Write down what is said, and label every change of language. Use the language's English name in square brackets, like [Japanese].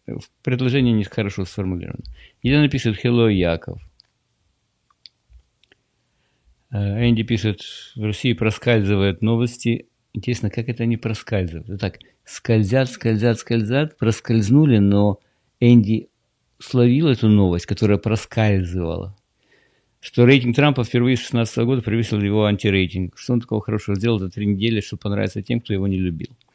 [Russian] В предложенні не хорошо сформулировано. [Ukrainian] Єдина пише, [English] Хелло [Ukrainian] Яков. Енді пише, в Росії проскальзують новості. [Russian] Интересно, как это они проскальзывают? Вот так, скользят, проскользнули, но Энди словил эту новость, которая проскальзывала, что рейтинг Трампа впервые с 2016 года превысил его антирейтинг. Что он такого хорошего сделал за 3 недели, чтобы понравиться тем, кто его не любил?